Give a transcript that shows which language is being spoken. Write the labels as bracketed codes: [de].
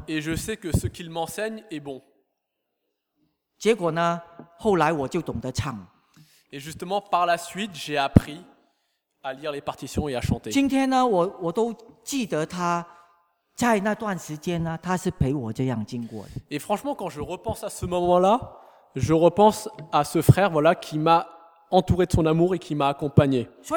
[fr] Et je sais que ce qu'il m'enseigne est bon. [zh] 结果呢，后来我就懂得唱。 [fr] Et justement, par la suite, j'ai appris à lire les partitions et à chanter. [zh] 今天呢，我都记得他在那段时间呢，他是陪我这样经过的。 [fr] Et franchement, quand je repense à ce moment-là, je repense à ce frère, voilà, qui m'a entouré de son amour et qui m'a accompagné.